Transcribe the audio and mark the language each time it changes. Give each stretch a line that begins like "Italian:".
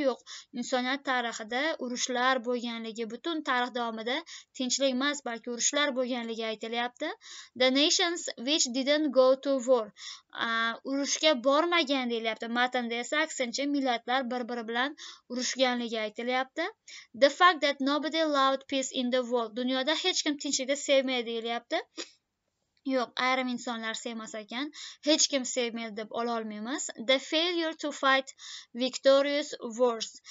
Uzbek: Yo'q, insoniyat tarixida urushlar bo'lganligi, butun tarix davomida tinchlik emas, balki urushlar bo'lganligi aytilyapti.
English: The nations which didn't go to war.
Uzbek: Urushga bormagan deyilyapti. Matnda esa aksincha millatlar bir-biri bilan urushganligi aytilyapti.
English: The fact that nobody loved peace in the world.
Uzbek: Dunyoda hech kim tinchlikni sevmaydi deyilyapti. Yo'q, ayrim insonlar sevmas ekan, hech kim sevmaydi deb ola olmaymiz.
English: The failure to fight victorious wars.